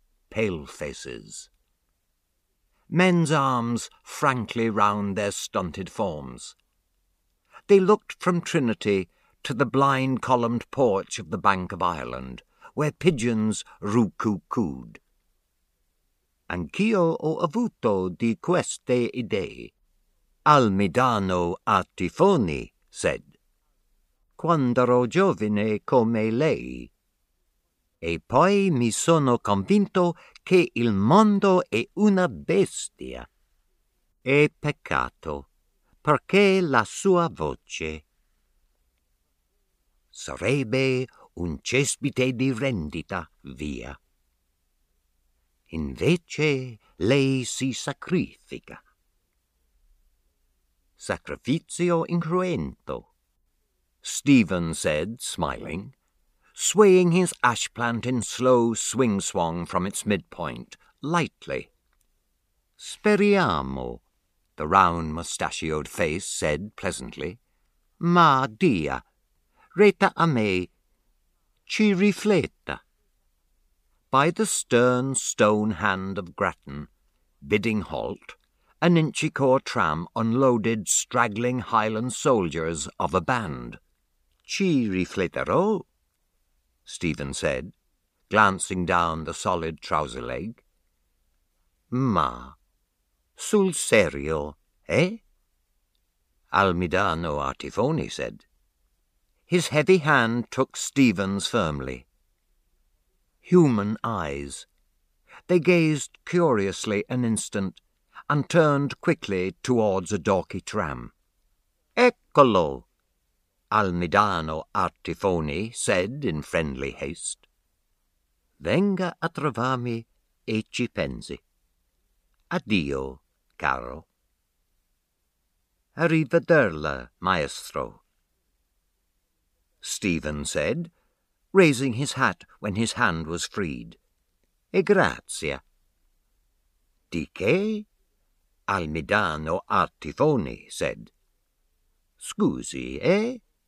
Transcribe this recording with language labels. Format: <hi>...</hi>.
<en>Pale faces. Men's arms frankly round their stunted forms. They looked from Trinity to the blind-columned porch of the Bank of Ireland, where pigeons roo-coo-cooed.</en> <it>anch'io ho avuto di queste idee. Al midano a Tifoni,</it> <en>sed.</en> <it>Quand'ero giovine come lei. E poi mi sono convinto che il mondo è una bestia. È peccato, perché la sua voce sarebbe un cespite di rendita, via. Invece lei si sacrifica. Sacrificio incruento,</it> <en>Stephen said, smiling, swaying his ashplant in slow swing-swong from its midpoint, lightly.</en> <it>Speriamo,</it> <en>the round mustachioed face said pleasantly.</en> <it>Ma dia, retta a me, ci rifletta.</it> <en>By the stern stone hand of Grattan, bidding halt, an Inchicore tram unloaded straggling Highland soldiers of a band.</en> <it>Ci rifletterò,</it> <en>Stephen said, glancing down the solid trouser leg.</en> <it>Ma, sul serio, eh?</it> <en>Almidano Artifoni said. His heavy hand took Stephen's firmly. Human eyes. They gazed curiously an instant and turned quickly towards a dorky tram.</en> <it>Eccolo,</it> <en>Almidano Artifoni said in friendly haste.</en> <it>Venga a trovarmi e ci pensi. Addio, caro. Arrivederla, maestro,</it> <en>Stephen said, raising his hat when his hand was freed.</en> <it>E grazie. Di che?</it> <en>Almidano Artifoni said.</en> <it>Scusi, eh?</it>